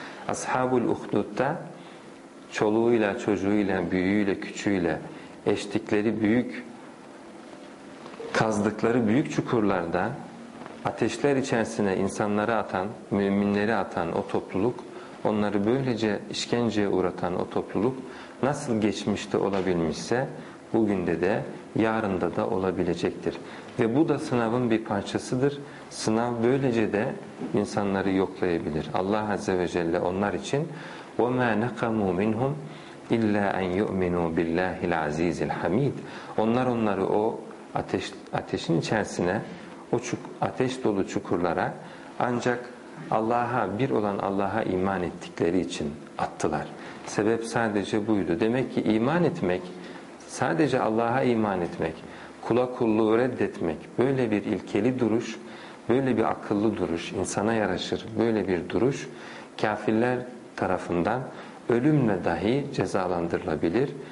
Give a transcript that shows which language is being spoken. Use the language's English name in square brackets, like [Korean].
[Turkish] Ashabul Uhdud'da çoluğuyla, çocuğuyla, büyüğüyle, küçüğüyle eştikleri büyük, kazdıkları büyük çukurlarda ateşler içerisine insanları atan, müminleri atan o topluluk, onları böylece işkenceye uğratan o topluluk nasıl geçmişte olabilmişse bugünde de yarında da olabilecektir. Ve bu da sınavın bir parçasıdır. Sınav böylece de insanları yoklayabilir. Allah Azze ve Celle onlar için [Arabic] وَمَا نَقَمُوا مِنْهُمْ اِلَّا اَنْ يُؤْمِنُوا بِاللّٰهِ الْعَز۪يزِ الْحَم۪يدِ. [Turkish] Onlar onları o ateşin içerisine, o ateş dolu çukurlara ancak Allah'a, bir olan Allah'a iman ettikleri için attılar. Sebep sadece buydu. Demek ki iman etmek, sadece Allah'a iman etmek, kula kulluğu reddetmek, böyle bir ilkeli duruş, böyle bir akıllı duruş, insana yaraşır böyle bir duruş, kafirler tarafından ölümle dahi cezalandırılabilir.